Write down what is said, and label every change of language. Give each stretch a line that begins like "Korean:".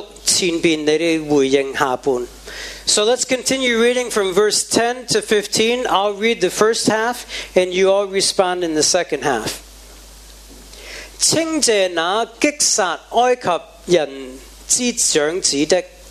Chinese: 我們繼續看第10節到15節,我讀前面,你們回應下半。
English: So let's continue reading from verse 10 to 15. I'll read the first half, and you all respond in the second half.
Chinese: 清謝那擊殺埃及人之長子的,